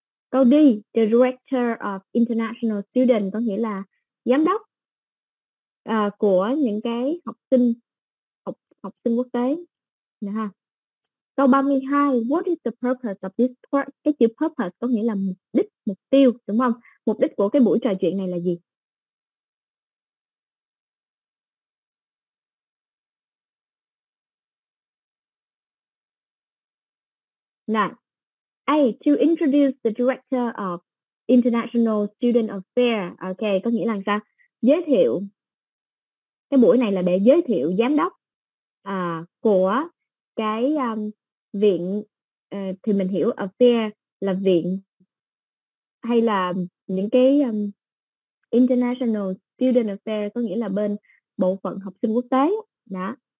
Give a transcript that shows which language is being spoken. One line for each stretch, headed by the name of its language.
Vietnamese: Câu D.
English: The director of international student,
Vietnamese: có nghĩa là giám đốc của những cái học sinh quốc tế. Nè ha.
English: Câu 32, what is the purpose of this talk?
Vietnamese: Cái chữ purpose có nghĩa là mục đích, mục tiêu, đúng không? Mục đích của cái buổi trò chuyện này là gì? Nào.
English: A, to introduce the director of international student affairs.
Vietnamese: Ok, có nghĩa là sao? Giới thiệu. Cái buổi này là để giới thiệu giám đốc của cái viện, thì mình hiểu affair là viện hay là những cái
English: international student affair,
Vietnamese: có nghĩa là bên bộ phận học sinh quốc tế đó.